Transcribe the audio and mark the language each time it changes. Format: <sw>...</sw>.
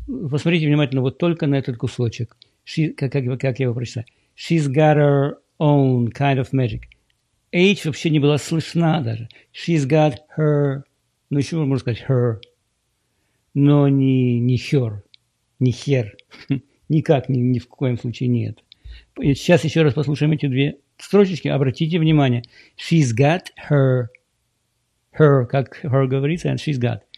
<ru>Посмотрите внимательно вот только на этот кусочек. Как я его прочитаю?</ru> <en>She's got her own kind of magic.</en> <ru>H вообще не была слышна даже.</ru> <en>She's got her...</en> <ru>Ну, еще можно сказать her. Но не her. Не her. Никак, ни в коем случае нет. Сейчас еще раз послушаем эти две строчечки. Обратите внимание.</ru> <en>She's got her. Her, как her говорится, and she's got.</en>